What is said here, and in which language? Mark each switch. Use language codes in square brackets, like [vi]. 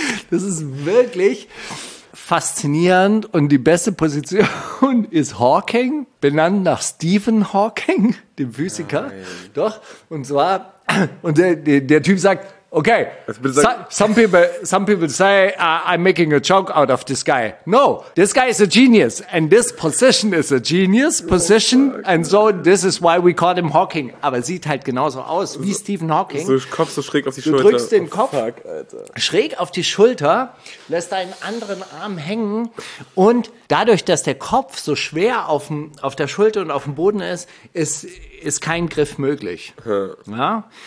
[de] Das ist wirklich faszinierend und die beste Position ist Hawking, benannt nach Stephen Hawking, dem Physiker. Nein. Doch, und zwar, und der Typ sagt, [en] Okay, some people say I'm making a joke out of this guy. No, this guy is a genius and this position is a genius position. Oh, and so this is why we call him Hawking. [de] Aber sieht halt genauso aus wie Stephen Hawking. So Kopf so schräg auf die Schulter. Du drückst den Kopf schräg auf die Schulter, lässt deinen anderen Arm hängen und dadurch, dass der Kopf so schwer auf der Schulter und auf dem Boden ist, ist kein Griff möglich. Hm. Ja?